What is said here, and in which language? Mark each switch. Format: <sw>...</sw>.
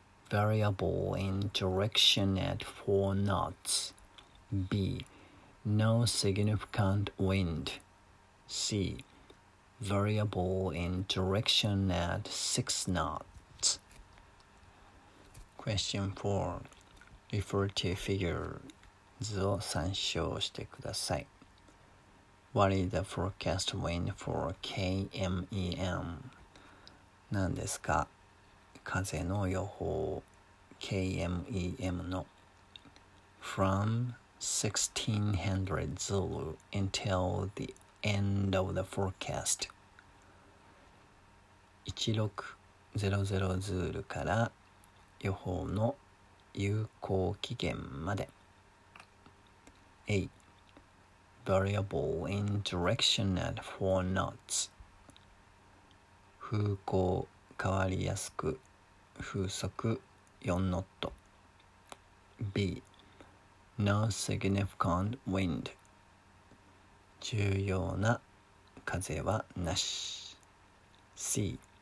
<en>Variable in direction at 4 knots. B. No significant wind. C. Variable in direction at 6 knots. Question 4. Refer to figure</en> <ja>図を参照してください。</ja> <en>What is the forecast wind for KMEM?</en> <ja>何ですか? 風の予報</ja> <en>KMEM の From 1600 Zulu until the end of the forecast 1600 Zulu</en> <ja>から予報の有効期限まで</ja> <en>A. Variable in direction at 4 knots</en> <ja>風向変わりやすく風速4ノット</ja> <en>B. No significant wind</en> <ja>重要な風はなし</ja> <en>C.</en>